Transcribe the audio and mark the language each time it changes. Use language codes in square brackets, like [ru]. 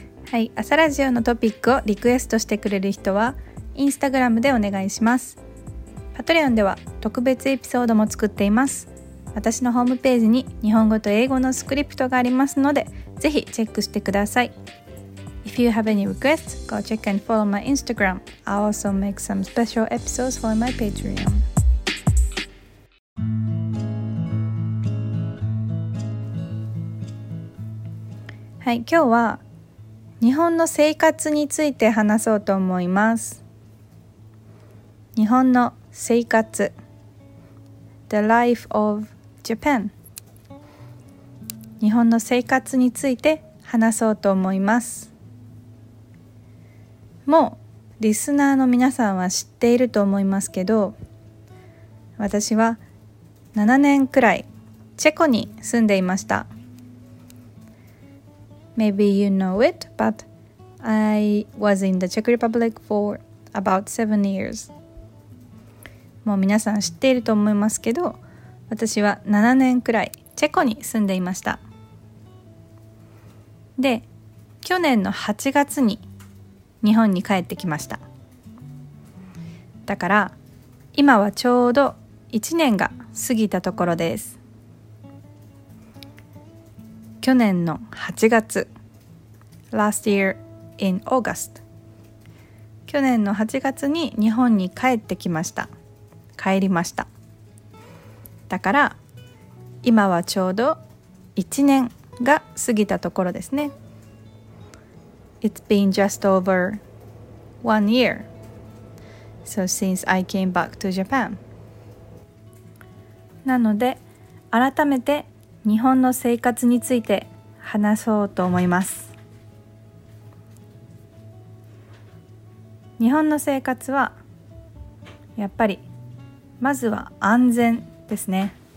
[ja] はい、朝ラジオのトピックをリクエストしてくれる人はインスタグラムでお願いします。パトレオンでは特別エピソードも作っています。私のホームページに日本語と英語のスクリプトがありますので、ぜひチェックしてください。 [en] If you have any requests, go check and follow my Instagram. I also make some special episodes for my Patreon. [ja] はい、今日は日本の生活について話そうと思います。日本の生活 [en] The life of Japan。 [ja] 日本の生活について話そうと思います。もうリスナーの皆さんは知っていると思いますけど、私は7年くらいチェコに住んでいました。 [en] Maybe you know it, but I was in the Czech Republic for about 7 years。 [ja] もう皆さん知っていると思いますけど、私は7年くらいチェコに住んでいました。で、去年の8月に日本に帰ってきました。だから今はちょうど1年が過ぎたところです。去年の8月、 [en] Last year in August、 [ja] 去年の8月に日本に帰ってきました。帰りました。だから今はちょうど1年が過ぎたところですね。 [en] It's been just over 1 year, so since I came back to Japan。 [ja] なので改めて日本の生活について話そうと思います。日本の生活はやっぱりまずは安全ですね。